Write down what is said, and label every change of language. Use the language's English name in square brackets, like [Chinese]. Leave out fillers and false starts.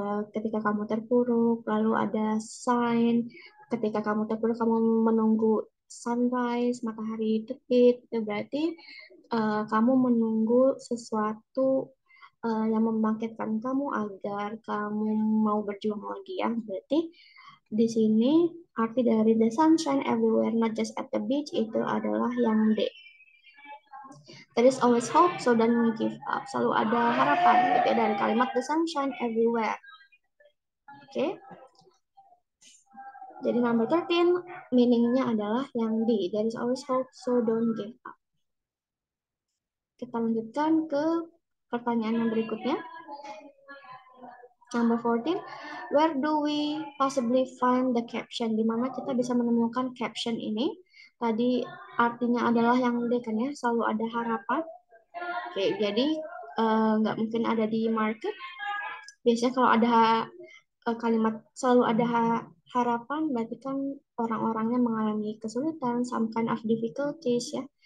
[Indonesian] Ketika kamu terpuruk, lalu ada sign. Ketika kamu terpuruk, kamu menunggu sunrise, matahari terbit. Itu berarti kamu menunggu sesuatu yang membangkitkan kamu agar kamu mau berjuang lagi ya. Berarti di sini arti dari [English] the sunshine everywhere, not just at the beach, [Indonesian] itu adalah yang D. [English] There is always hope, so don't give up. [Indonesian] Selalu ada harapan, gitu ya, dari kalimat [English] the sunshine everywhere. [Indonesian] Oke. Jadi number 13, meaningnya adalah yang D. [English] There is always hope, so don't give up. [Indonesian] Kita lanjutkan ke pertanyaan yang berikutnya. [English] Number 14, where do we possibly find the caption? [Indonesian] Di mana kita bisa menemukan caption ini? Tadi artinya adalah yang D kan ya, selalu ada harapan. Oke, jadi nggak mungkin ada di market. Biasanya kalau ada kalimat selalu ada harapan, berarti kan orang-orangnya mengalami kesulitan, [English] some kind of difficulties [Indonesian] ya.